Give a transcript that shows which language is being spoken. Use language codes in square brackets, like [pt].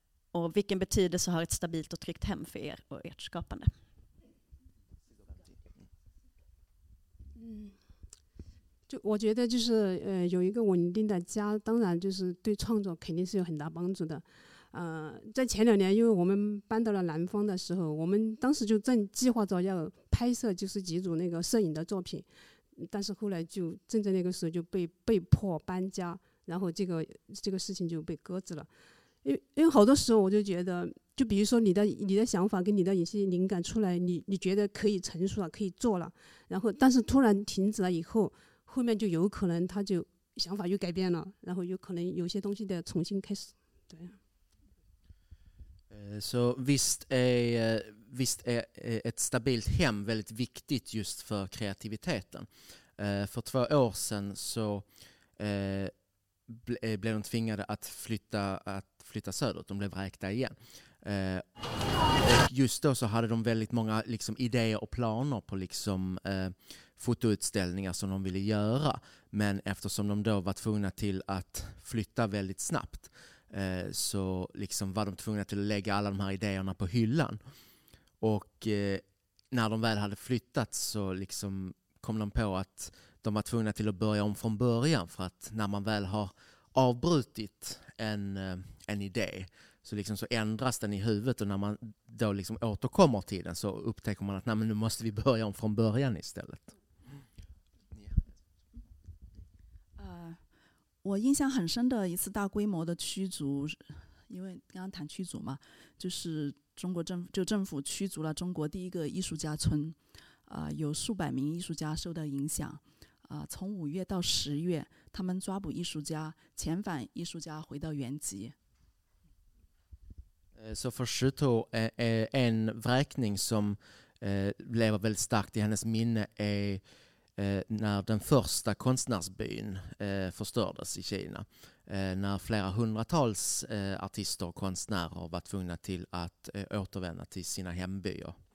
[sv] Och vilken betydelse har ett stabilt och tryggt hem för er och ert skapande? Jag tror att det är en ordentlig hem. Det är klart att det är en stor hjälp för skapande. [zh] 在前两年，因为我们搬到了南方的时候，我们当时就正计划着要拍摄，就是几组那个摄影的作品，但是后来就正在那个时候就被迫搬家，然后这个事情就被搁置了。因为好多时候我就觉得，就比如说你的想法跟你的一些灵感出来，你觉得可以成熟了，可以做了，然后但是突然停止了以后，后面就有可能他就想法又改变了，然后有可能有些东西得重新开始，对。 [sv] Så visst är ett stabilt hem väldigt viktigt just för kreativiteten. För 2 år sedan så blev de tvingade att flytta söderut. De blev räkta igen. Och just då så hade de väldigt många liksom idéer och planer på liksom fotoutställningar som de ville göra. Men eftersom de då var tvungna till att flytta väldigt snabbt, så liksom var de tvungna till att lägga alla de här idéerna på hyllan. Och när de väl hade flyttat så liksom kom de på att de var tvungna till att börja om från början, för att när man väl har avbrutit en idé så liksom så ändras den i huvudet, och när man då liksom återkommer till den så upptäcker man att nej, men nu måste vi börja om från början istället. [zh] 我印象很深的一次大规模的驱逐，因为刚刚谈驱逐嘛，就是中国政府，就政府驱逐了中国第一个艺术家村，有数百名艺术家受到影响，从五月到十月，他们抓捕艺术家，遣返艺术家回到原籍。 [sv] Så för Shuto en vräkning som lever väldigt starkt i hennes minne är när den första konstnärsbyn förstördes i Kina. När flera hundratals artister och konstnärer var tvungna till att återvända till sina hembyar.